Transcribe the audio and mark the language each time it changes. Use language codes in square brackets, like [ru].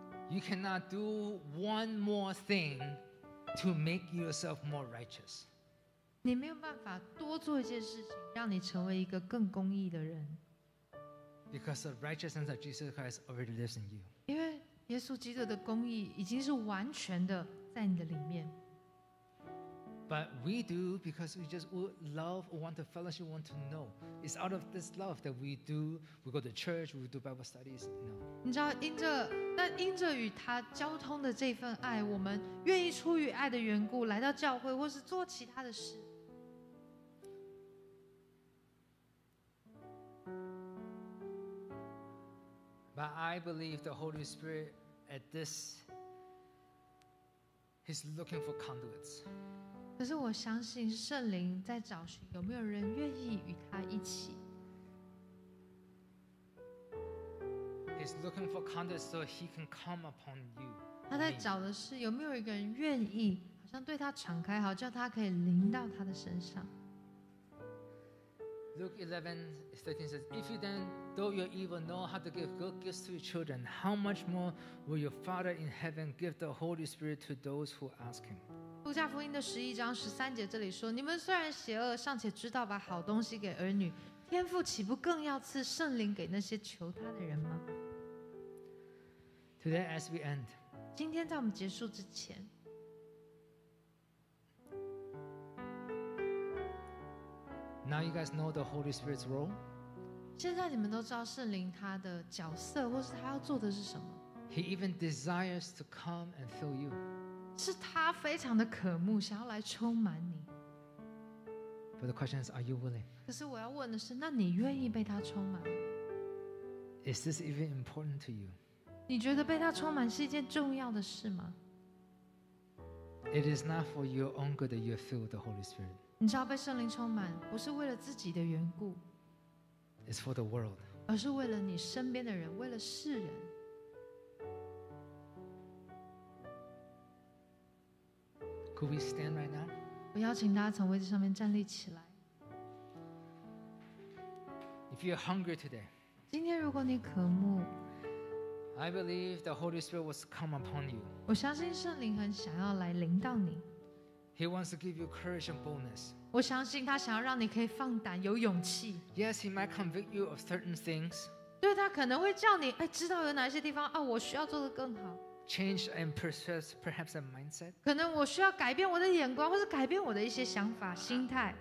[en] You cannot do one more thing to make yourself more righteous. [zh] 你没有办法多做一件事情，让你成为一个更公义的人。 [en] Because the righteousness of Jesus Christ already lives in you. [zh] 因为耶稣基督的公义已经是完全的在你的里面。 [en] But we do because we just love, want to fellowship, want to know. It's out of this love that we do. We go to church, we do Bible studies. No. [zh] 你知道，因着与他交通的这份爱，我们愿意出于爱的缘故来到教会，或是做其他的事。 [en] But I believe the Holy Spirit at this, he's looking for conduits. [zh] 可是我相信圣灵在找寻有没有人愿意与他一起。 [en] He's looking for conduits so he can come upon you. [zh] 他在找的是有没有一个人愿意，好像对他敞开，好叫他可以临到他的身上。 [en] Luke 11:13 says, If you then, though you're evil, know how to give good gifts to your children, how much more will your Father in heaven give the Holy Spirit to those who ask him? [zh] 路加福音的11:13这里说，你们虽然邪恶，尚且知道把好东西给儿女，天父岂不更要赐圣灵给那些求他的人吗？ [en] Today as we end, [zh] 今天在我们结束之前， [en] Now you guys know the Holy Spirit's role. [zh] 现在你们都知道圣灵他的角色，或是他要做的是什么。 [en] He even desires to come and fill you. [zh] 是他非常的渴慕，想要来充满你。 [en] But the question is, are you willing? [zh] 可是我要问的是，那你愿意被他充满吗？ [en] Is this even important to you? [zh] 你觉得被他充满是一件重要的事吗？ [en] It is not for your own good that you are filled with the Holy Spirit. [zh] 你知道被圣灵充满不是为了自己的缘故， [en] It's for the world. [zh] 而是为了你身边的人，为了世人。 [en] Could we stand right now? [zh] 我邀请大家从位置上面站立起来。 [en] If you're hungry today, [zh] 今天如果你渴慕， [en] I believe the Holy Spirit was come upon you. [zh] 我相信圣灵很想要来临到你。 [en] He wants to give you courage and boldness. [zh] 我相信他想要让你可以放胆有勇气。 [en] Yes, he might convict you of certain things. [zh] 对，他可能会叫你，哎，知道有哪些地方啊，我需要做得更好。 [en] Change and process perhaps a mindset. [zh] 可能我需要改变我的眼光，或是改变我的一些想法、心态。